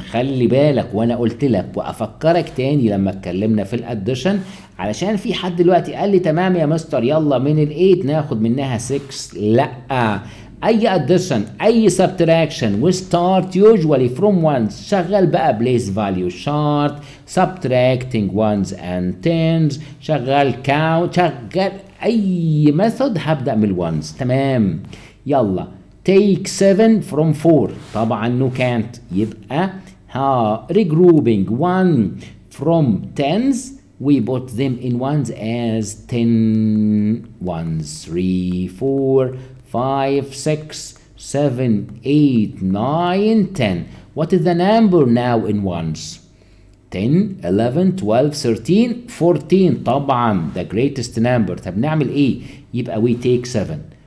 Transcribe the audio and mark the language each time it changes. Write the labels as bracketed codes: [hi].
[ar] خلي بالك وانا قلت لك وافكرك تاني لما اتكلمنا في الادشن علشان في حد دلوقتي قال لي تمام يا مستر يلا من ال 8 ناخد منها 6. لا. [en] اي addition اي subtraction we start usually from ones. [ar] شغل بقى [en] place value chart subtracting ones and tens. [ar] شغل count. شغل اي method هبدأ من ones. تمام. [en] يلا take 7 from 4. طبعا no can't. يبقى regrouping 1 from tens we put them in ones as 10 ones 3 4 5, 6, 7, 8, 9, 10. What is the number now in ones? 10, 11, 12, 13, 14. طبعا the greatest number. [ar] طب نعمل ايه؟ يبقى [en] we take 7.